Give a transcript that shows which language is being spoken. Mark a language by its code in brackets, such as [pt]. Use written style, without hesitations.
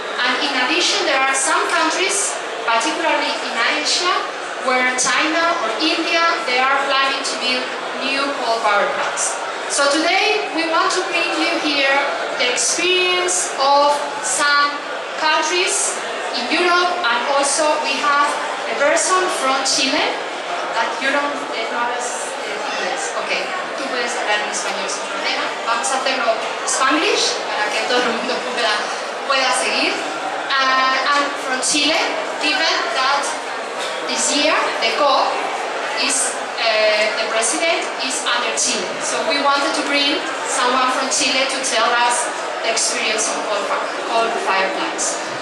[en] And in addition, there are some countries, particularly in Asia, where China or India, they are planning to build new coal power plants. So today we want to bring you here the experience of some countries in Europe, and also we have a person from Chile that you don't know English. [es] Okay, tú puedes hablar en español sin problema. Vamos a hacerlo en [en] Spanish [es] para que todo el mundo pueda seguir. [en] And from Chile, given that this year the COP is the president is under Chile. So we wanted to bring someone from Chile to tell us the experience of coal fire plants.